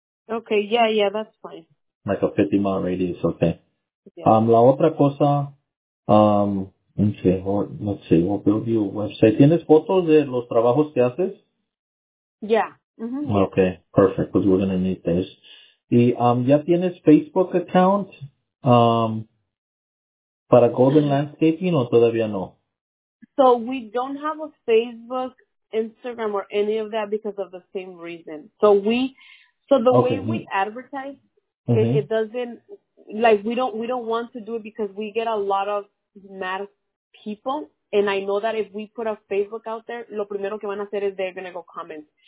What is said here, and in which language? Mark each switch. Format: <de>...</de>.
<en>Okay, yeah, that's fine. Like a 50-mile radius, okay. Yeah.</en> <es>La otra cosa,</es> <en>okay, let's see, we'll build you a website.</en> <es>¿Tienes fotos de los trabajos que haces?</es> <en>Yeah. Mm-hmm. Okay, perfect, because we're going to need this.</en> <es>¿Y ya tienes Facebook account para Golden Landscaping o todavía no?</es> <en>So we don't have a Facebook, Instagram, or any of that because of the same reason. So the way we advertise, mm-hmm. it doesn't, like, we don't want to do it because we get a lot of mad people. And I know that if we put a Facebook out there,</en> <es>lo primero que van a hacer</es> <en>is they're going to go comment.</en>